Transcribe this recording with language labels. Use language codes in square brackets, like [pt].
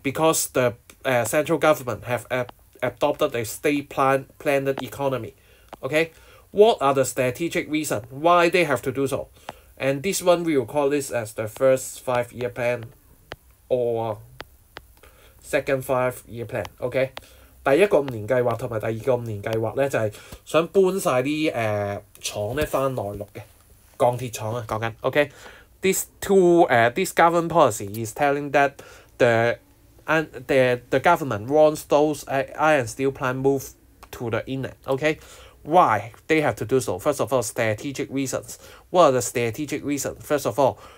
[en] Because the central government have adopted a state planned economy, okay? What are the strategic reasons why they have to do so? And this one, we will call this as the first 5-year plan or second 5-year plan, okay? [yue] 第一個五年計劃和第二個五年計劃呢，就是想搬曬啲廠呢翻內陸嘅鋼鐵廠啊，講緊 okay? [en] This government policy is telling that the government wants those iron and steel plant move to the inland, okay? Why they have to do so? First of all, strategic reasons. What are the strategic reasons? First of all,